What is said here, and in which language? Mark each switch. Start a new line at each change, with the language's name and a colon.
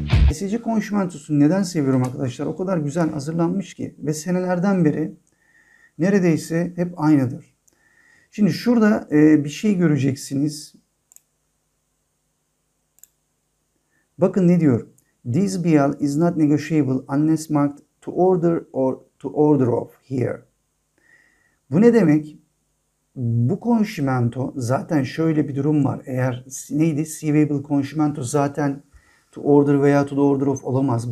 Turkish: PSG konşimentosunu neden seviyorum arkadaşlar? O kadar güzel hazırlanmış ki ve senelerden beri neredeyse hep aynıdır. Şimdi şurada bir şey göreceksiniz. Bakın ne diyor?
English: This bill is not negotiable unless marked to order or to order of here.
Turkish: Bu ne demek? Bu konşimento zaten şöyle bir durum var. Eğer neydi? Severable konşimento zaten to order veya to the order of olamaz.